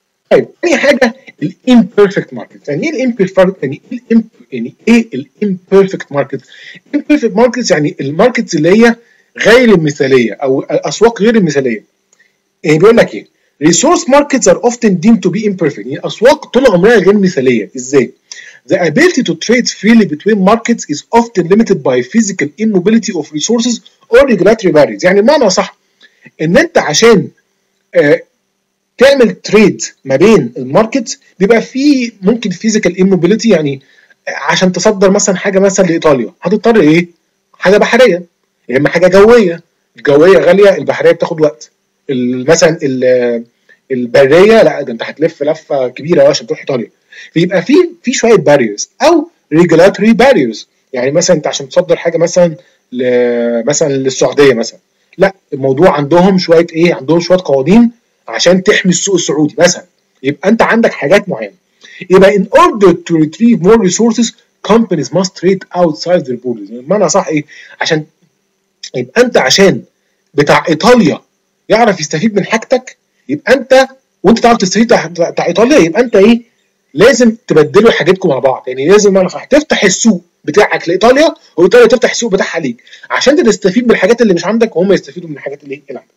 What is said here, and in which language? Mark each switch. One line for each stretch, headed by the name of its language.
Arabic: طيب تاني حاجه الامبيرفكت ماركت. يعني ايه الامبيرفكت؟ يعني ايه الامبيرفكت ماركت؟ الامبيرفكت ماركت يعني الماركت اللي هي غير المثاليه او الاسواق غير المثاليه. يعني بيقول لك ايه
English: resource markets are often deemed to be imperfect,
Arabic: يعني اسواق طول عمرها غير مثاليه. ازاي؟
English: The ability to trade freely between markets is often limited by physical immobility of resources or regulatory barriers.
Arabic: يعني ما صح ان انت عشان تعمل تريد ما بين الماركت بيبقى فيه ممكن physical immobility، يعني عشان تصدر مثلا حاجة مثلا لإيطاليا هتضطر ايه؟ حاجة بحرية، يعني حاجة جوية، الجوية غالية البحرية بتاخد وقت، مثلا البرية لا ده انت هتلف لفة كبيرة عشان تروح إيطاليا، فيبقى في شويه باريرز او ريجولاتوري باريرز. يعني مثلا انت عشان تصدر حاجه مثلا للسعوديه مثلا، لا الموضوع عندهم شويه ايه عندهم شويه قوانين عشان تحمي السوق السعودي مثلا، يبقى انت عندك حاجات معينه. يبقى
English: in order to retrieve more resources companies must trade outside their borders.
Arabic: يعني معنى صح ايه؟ عشان يبقى انت عشان بتاع ايطاليا يعرف يستفيد من حاجتك، يبقى انت وانت تعرف تستفيد بتاع ايطاليا، يبقى انت ايه لازم تبدلوا حاجتكم على بعض. يعني لازم انا تفتح السوق بتاعك لايطاليا وايطاليا تفتح السوق بتاعها ليك، عشان تستفيد من الحاجات اللي مش عندك وهم يستفيدوا من الحاجات اللي عندك.